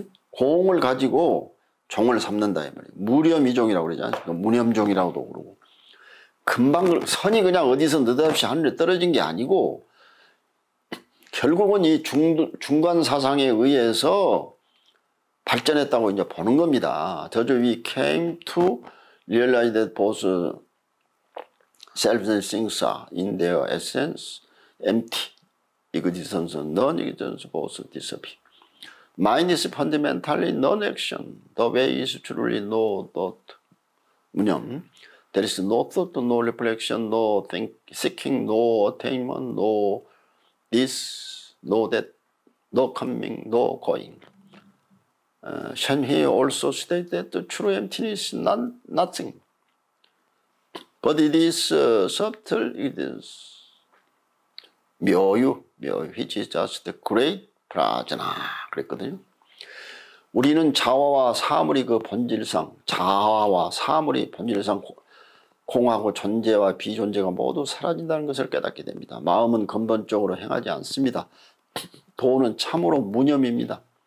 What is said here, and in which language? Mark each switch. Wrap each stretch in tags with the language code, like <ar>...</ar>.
<ko>공을 가지고 종을 삼는다 이 말이에요. 무렴이종이라고 그러지 않습니까? 무념종이라고도 그러고. 금방 선이 그냥 어디서 느닷없이 하늘에 떨어진 게 아니고 결국은 이 중간 사상에 의해서 발전했다고 이제 보는 겁니다. 저주</ko> <en>we came to realize that both selves and things are in their essence empty. Existence and non-existence both disappear. Mind is fundamentally non-action. The way is truly no thought. 무념. There is no thought, no reflection, no seeking, no attainment, no this, no that, no coming, no going. Shen He also stated that true emptiness is nothing. But it is subtle, it is 묘유, 묘유, which is just the great prajna.</en> <ko>그랬거든요. 우리는 자아와 사물이 그 본질상, 자아와 사물이 본질상 공하고 존재와 비존재가 모두 사라진다는 것을 깨닫게 됩니다. 마음은 근본적으로 행하지 않습니다. 도는 참으로 무념입니다.</ko>